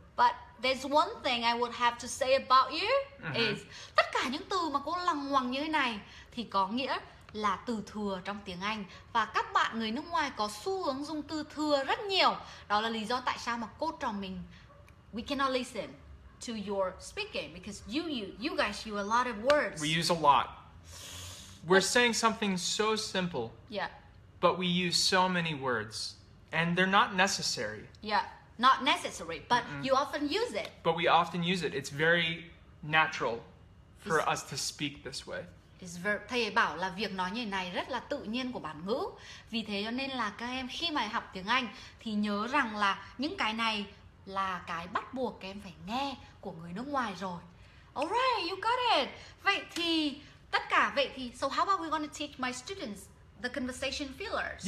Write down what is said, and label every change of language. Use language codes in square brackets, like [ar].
[en] But there's one thing I would have to say about you. Mm-hmm. [vi] Is tất cả những từ mà cô lằng ngoằng như thế này thì có nghĩa là từ thừa trong tiếng Anh. Và các bạn người nước ngoài có xu hướng dùng từ thừa rất nhiều. Đó là lý do tại sao mà cô trò mình, [en] we cannot listen to your speaking because you guys use a lot of words. We use a lot. We're saying something so simple. Yeah. But we use so many words, and they're not necessary. Yeah, not necessary, but you often use it. But we often use it. It's very natural for us to speak this way. [vi] Thầy ấy bảo là việc nói như này rất là tự nhiên của bản ngữ. Vì thế cho nên là các em khi mà học tiếng Anh thì nhớ rằng là những cái này là cái bắt buộc các em phải nghe của người nước ngoài rồi. [en] Alright, you got it. [vi] Vậy thì tất cả vậy thì [en] so how about we gonna teach my students the conversation fillers.